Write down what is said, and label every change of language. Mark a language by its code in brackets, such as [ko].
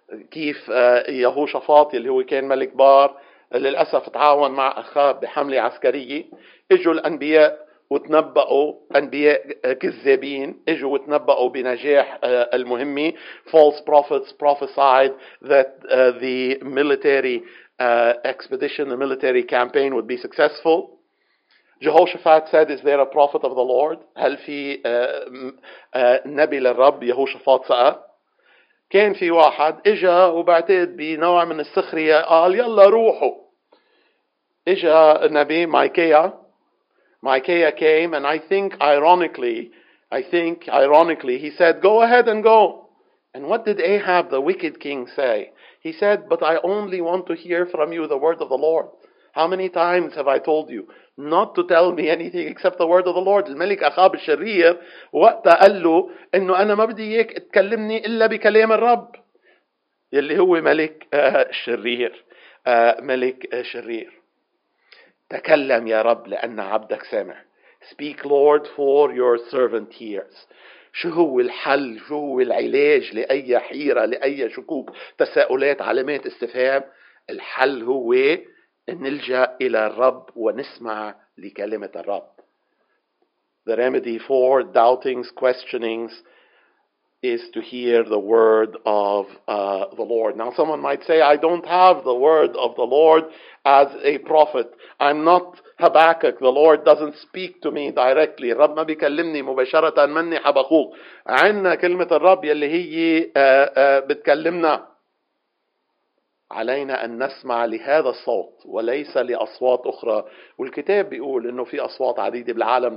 [ar] كيف يهوشافاط اللي هو كان ملك بار للأسف تعاون مع أخاب بحملة عسكرية. إجوا الأنبياء وتنبأوا أنبياء كذابين إجوا وتنبأوا بنجاح المهمة. [en] False prophets prophesied that the military expedition, the military campaign would be successful. Jehoshaphat said, is there a prophet of the Lord? [ar] هل في نبي للرب؟ يهوشافاط سأل. كان في واحد إجا وبعتقد بنوع من السخرية قال يلا روحوا. إجا النبي مايكيا. [en] Micaiah came, and I think ironically, he said, go ahead and go. And what did Ahab, the wicked king, say? He said, but I only want to hear from you the word of the Lord. How many times have I told you not to tell me anything except the word of the Lord? [ar] الملك أخاب الشرير وقتها قال له أنه أنا ما بدي إياك تكلمني إلا بكلام الرب. يلي هو ملك شرير. ملك شرير. تكلم يا رب لأن عبدك سامع. [en] Speak Lord for your servant hears. [ar] شو هو الحل؟ شو هو العلاج لأي حيرة لأي شكوك تساؤلات علامات استفهام؟ الحل هو أن نلجأ إلى الرب ونسمع لكلمة الرب. [en] The remedy for doubtings, questionings is to hear the word of the Lord. Now someone might say, I don't have the word of the Lord as a prophet. I'm not Habakkuk. The Lord doesn't speak to me directly. [ar] رب ما بيكلمني مباشرة مني حبخوك. عنا كلمة الرب يلي هي بتكلمنا. علينا أن نسمع لهذا الصوت وليس لأصوات أخرى. والكتاب بيقول أنه في أصوات عديدة بالعالم.